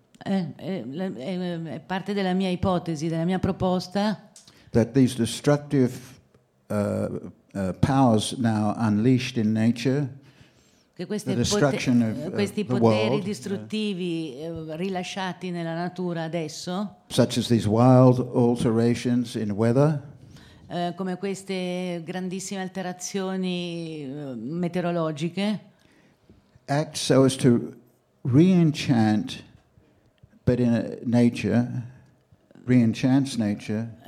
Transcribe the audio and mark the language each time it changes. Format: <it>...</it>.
<it>È parte della mia ipotesi, della mia proposta.</it> <en>That these destructive powers now unleashed in nature.</en> <it>Che questi poteri distruttivi rilasciati nella natura adesso,</it> <en>such as these wild alterations in weather,</en> <it>come queste grandissime alterazioni meteorologiche,</it> <en>act so as to re-enchant, but in a nature, re-enchants nature,</en>